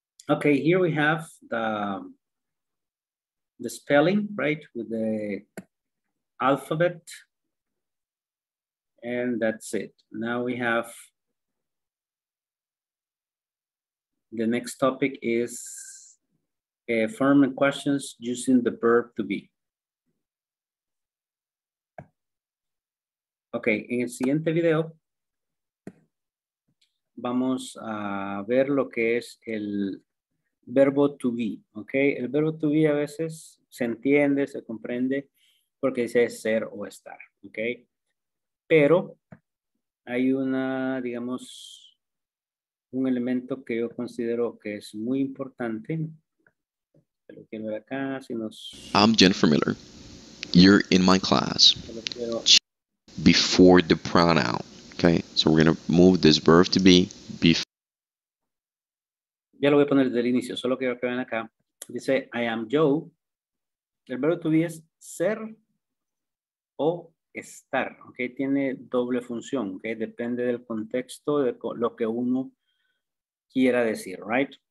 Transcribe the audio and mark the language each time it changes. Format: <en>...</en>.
<en>Okay, here we have the spelling, right, with the alphabet. And that's it. Now we have the next topic is affirming questions using the verb to be.</en> <es>Okay, en el siguiente video vamos a ver lo que es el verbo to be, okay? El verbo to be a veces se entiende, se comprende porque dice ser o estar, okay? Pero hay una, digamos, un elemento que yo considero que es muy importante. Lo quiero ver acá, si nos...</es> <en>I'm Jennifer Miller. You're in my class. Before the pronoun, okay? So we're going to move this verb to be before.</en> <es>Ya lo voy a poner desde el inicio, solo quiero que vean acá. Dice,</es> <en>I am Joe.</en> <es>El verbo to be es ser o estar, ¿ok? Tiene doble función, ¿ok? Depende del contexto, de lo que uno quiera decir,</es> <en>right?</en>